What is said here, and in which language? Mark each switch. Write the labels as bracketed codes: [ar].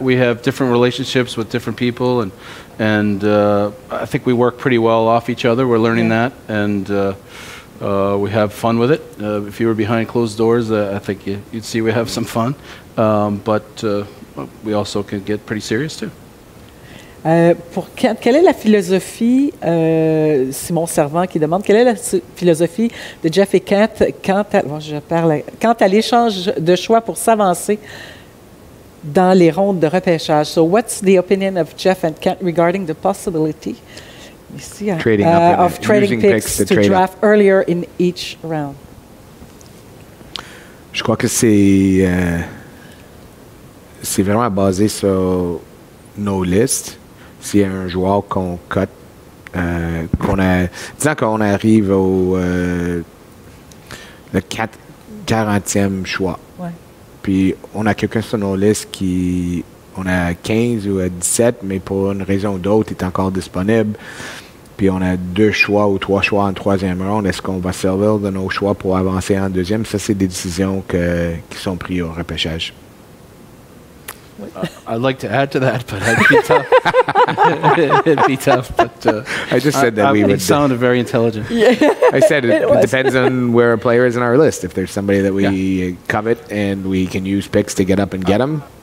[en] We have different relationships with different people, and I think we work pretty well off each other. We're learning that, and we have fun with it. If you were behind closed doors, I think you'd see we have some fun. But we also can get pretty serious, too. [fr] Pour Kent, quelle est la philosophie, Simon Servant qui demande, quelle est la philosophie de Jeff et Kent quant à l'échange de choix pour s'avancer dans les rondes de repêchage? [en] So what's the opinion of Jeff and Kent regarding the possibility of trading picks to draft earlier in each round? [fr] Je crois que c'est vraiment basé sur nos listes. S'il y a un joueur qu'on cut, disons qu'on arrive au le 40e choix, puis on a quelqu'un sur nos listes qui on a 15 ou 17, mais pour une raison ou d'autre, est encore disponible, puis on a deux choix ou trois choix en troisième ronde, est-ce qu'on va servir de nos choix pour avancer en deuxième? Ça, c'est des décisions qui sont prises au repêchage. [en] I'd like to add to that, but it'd be tough. It'd be tough. But I just said that it sounded very intelligent. Yeah. I said it depends on where a player is in our list. If there's somebody that we covet and we can use picks to get up and get them.